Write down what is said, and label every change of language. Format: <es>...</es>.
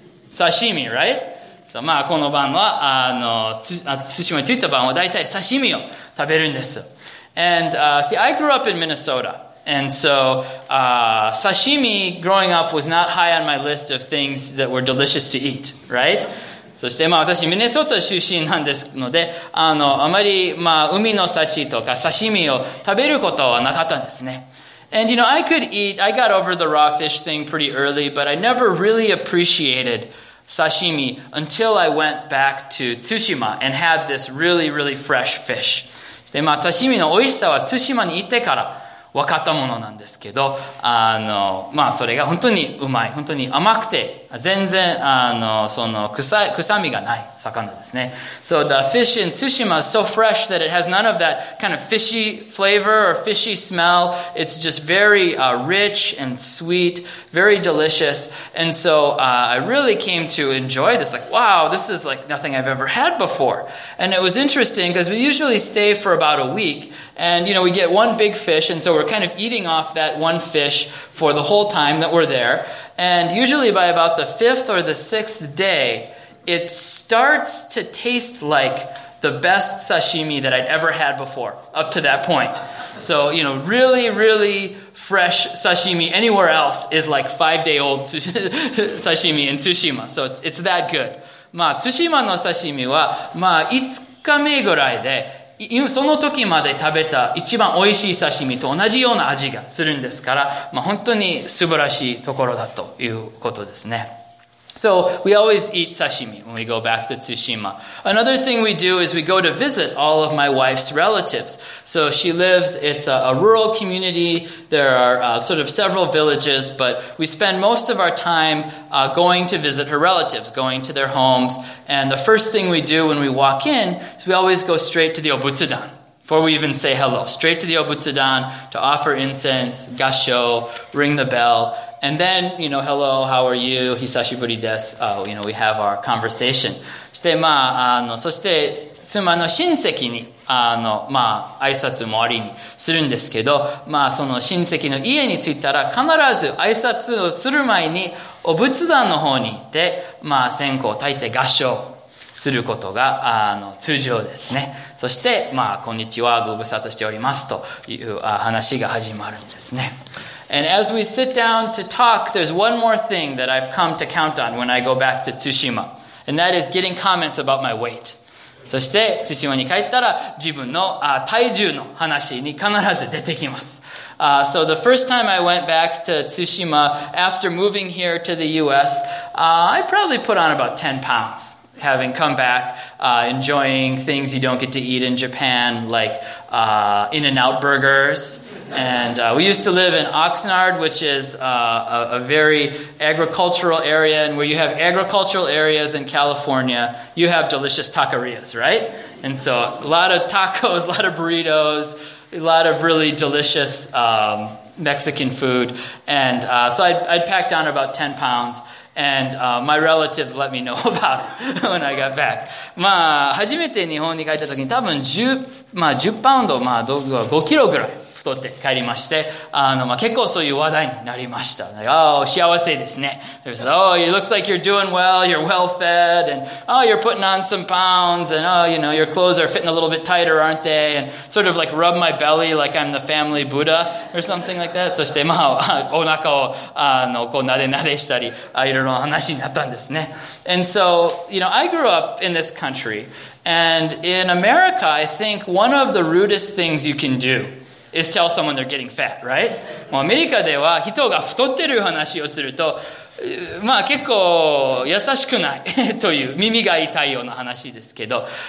<en>Sashimi, right? So,</en> <ja>まあ、この晩は、あの、Tsushima に着いた晩は大体sashimiを食べるんです。</ja> <en>And, see, I grew up in Minnesota. And so sashimi growing up was not high on my list of things that were delicious to eat, right?</en> <ja>そして、まあ、私、ミネソタ出身なんですので、あまり、まあ、海の幸とか刺身を食べることはなかったんですね。</ja> <en>And you know, I could eat, I got over the raw fish thing pretty early, but I never really appreciated sashimi until I went back to Tsushima and had this really, really fresh fish.</en> <ja>そして、まあ、刺身の美味しさは Tsushima に行ってから分かったものなんですけど、まあ、それが本当にうまい、本当に甘くて、全然、その、臭みがない魚ですね。</ja> <en>So the fish in Tsushima is so fresh that it has none of that kind of fishy flavor or fishy smell. It's just very, rich and sweet, very delicious. And so, I really came to enjoy this. Like, wow, this is like nothing I've ever had before. And it was interesting because we usually stay for about a week. And, you know, we get one big fish. And so we're kind of eating off that one fish for the whole time that we're there. And usually by about the fifth or the sixth day, it starts to taste like the best sashimi that I'd ever had before, up to that point. So, you know, really, really fresh sashimi anywhere else is like five-day-old sashimi in Tsushima. So it's that good.</en> <ja>まあ、Tsushima の刺身は、まあ、5日目ぐらいで、その時まで食べた一番美味しい刺身と同じような味がするんですから、まあ、本当に素晴らしいところだということですね。</ja> <en>So, we always eat sashimi when we go back to Tsushima. Another thing we do is we go to visit all of my wife's relatives. So, she lives, it's a rural community. There are sort of several villages, but we spend most of our time going to visit her relatives, going to their homes. And the first thing we do when we walk in is we always go straight to the obutsudan. Before we even say hello, straight to the obutsudan to offer incense, gassho, ring the bell. And then, you know, hello, how are you?</en> <ja>久しぶりです。</ja> <en>You know, we have our conversation.</en> <ja>そして、まあ、そして、妻の親戚に、まあ、挨拶もありにするんですけど、まあ、その親戚の家に着いたら、必ず挨拶をする前に、お仏壇の方に行って、まあ、線香を焚いて合唱することが、通常ですね。そして、まあ、こんにちは、ご無沙汰しておりますという話が始まるんですね。</ja> <en>And as we sit down to talk, there's one more thing that I've come to count on when I go back to Tsushima. And that is getting comments about my weight.</en> <ja>そして、Tsushimaに帰ったら自分の体重の話に必ず出てきます。</ja> <en>So the first time I went back to Tsushima after moving here to the US, I probably put on about 10 pounds. Having come back, enjoying things you don't get to eat in Japan, like In-N-Out burgers. And we used to live in Oxnard, which is a very agricultural area. And where you have agricultural areas in California, you have delicious taquerias, right? And so a lot of tacos, a lot of burritos, a lot of really delicious Mexican food. And so I'd packed on about 10 pounds. And my relatives let me know about it when I got back.</en> <ja>まあ、初めて日本に帰った時に多分10パウンド、まあ、5キロぐらい太って帰りまして、まあ、結構そういう話題になりました。</ja> <en>Like, oh,</en> <ja>幸せですね。</ja> <en>There's, oh, it looks like you're doing well, you're well fed, and oh, you're putting on some pounds, and oh, you know, your clothes are fitting a little bit tighter, aren't they? And sort of like rub my belly like I'm the family Buddha or something like that.</en> <ja>そして、まあ、お腹を、こうなでなでしたり、いろいろ話になったんですね。</ja> <en>And so, you know, I grew up in this country, and in America, I think one of the rudest things you can do is tell someone they're getting fat, right?</en> <ja>もうアメリカでは人が太ってる話をすると、まあ結構優しくないという耳が痛いような話ですけど、</ja>